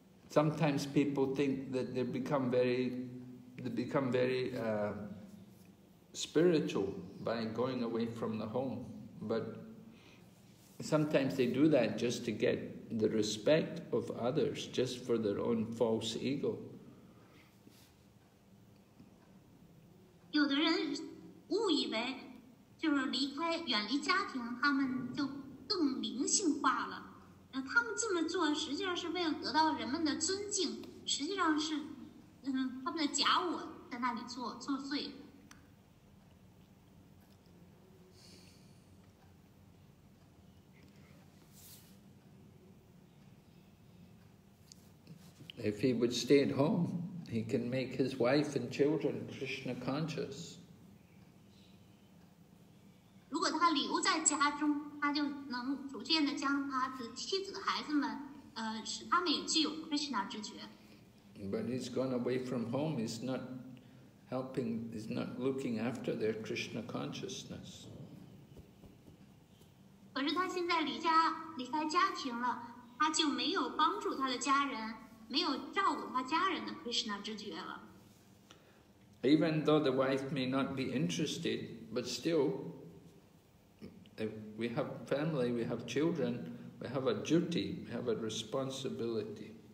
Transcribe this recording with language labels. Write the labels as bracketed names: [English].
[English] Sometimes people think that they become very spiritual by going away from the home, but sometimes they do that just to get the respect of others, just for their own false ego. [Chinese] 有的人误以为就是离开远离家庭，他们就更灵性化了。那他们这么做，实际上是为了得到人们的尊敬，实际上是他们的假我在那里作祟。 [English] If he would stay at home, he can make his wife and children Krishna conscious. But he's gone away from home, he's not looking after their Krishna consciousness. [Chinese] 可是他现在离家，离开家庭了，他就没有帮助他的家人。 [English] Even though the wife may not be interested, but still, if we have family, we have children, we have a duty, we have a responsibility.